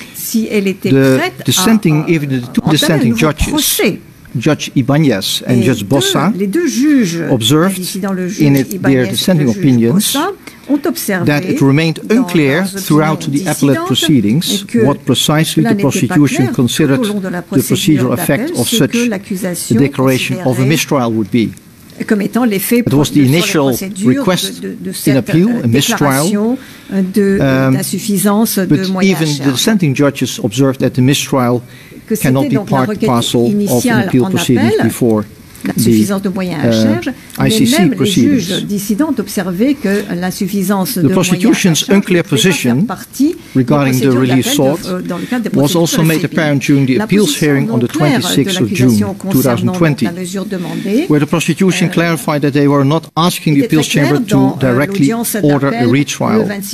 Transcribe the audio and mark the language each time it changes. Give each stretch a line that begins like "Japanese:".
English: The dissenting, even the two dissenting judges, Judge Ibanez and Judge Bossa, observed in their dissenting opinions that it remained unclear throughout the appellate proceedings what precisely the prosecution considered the procedural effect of such a declaration of a mistrial would be. It was the initial request in appeal, a mistrial, but even the dissenting judges observed that the mistrial cannot be part and parcel of an appeal proceedings before
French: l'insuffisance de moyens à charge, mais même les juges dissidents observaient que l'insuffisance de moyens à charge pouvait faire partie
English: regarding the release sought was also made apparent during the appeals hearing on the 26th of June 2020, where the prosecution clarified that they were not asking the appeals chamber to directly order a retrial.